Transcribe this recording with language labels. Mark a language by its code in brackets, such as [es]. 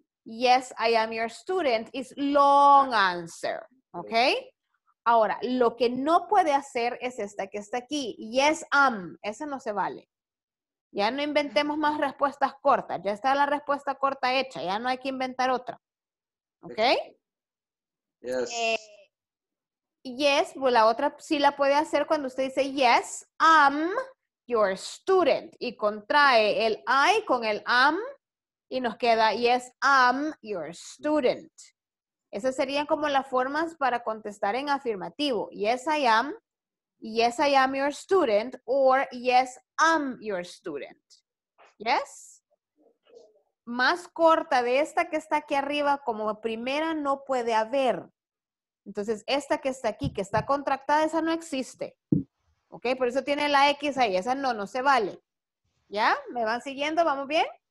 [en] Yes, I am your student is long answer. ¿Ok? [es] Ahora, lo que no puede hacer es esta que está aquí. [en] Yes, am. [es] Ese no se vale. Ya no inventemos más respuestas cortas. Ya está la respuesta corta hecha. Ya no hay que inventar otra. ¿Ok? [en] Yes. [es] Yes, pues la otra sí la puede hacer cuando usted dice, [en] yes, I'm your student. [es] Y contrae el I con el am y nos queda, [en] yes, I'm your student. [es] Esas serían como las formas para contestar en afirmativo. [en] Yes, I am your student, or yes, I'm your student. Yes? [es] Más corta de esta que está aquí arriba, como primera no puede haber. Entonces, esta que está aquí, que está contractada, esa no existe. ¿Ok? Por eso tiene la X ahí. Esa no, no se vale. ¿Ya? ¿Me van siguiendo? ¿Vamos bien?